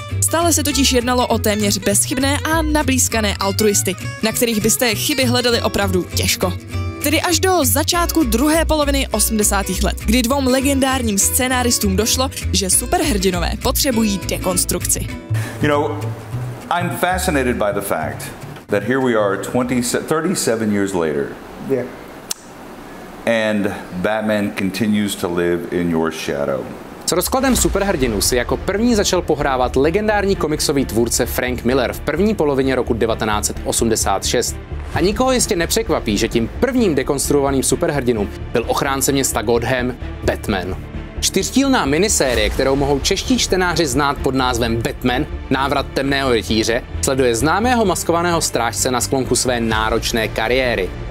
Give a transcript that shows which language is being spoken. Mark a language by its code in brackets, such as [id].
[cs] Stále se totiž jednalo o téměř bezchybné a nablízkané altruisty, na kterých byste chyby hledali opravdu těžko. Tedy až do začátku druhé poloviny 80. let, kdy dvou legendárním scénáristům došlo, že superhrdinové potřebují dekonstrukci. [en] You know, I'm fascinated by the fact that here we are 37 years later. Yeah. And Batman continues to live in your shadow. [cs] S rozkladem superhrdinu si jako první začal pohrávat legendární komiksový tvůrce Frank Miller v první polovině roku 1986. A nikoho jistě nepřekvapí, že tím prvním dekonstruovaným superhrdinou byl ochránce města Gotham, Batman. Čtyřdílná minisérie, kterou mohou čeští čtenáři znát pod názvem Batman, návrat temného rytíře, sleduje známého maskovaného strážce na sklonku své náročné kariéry.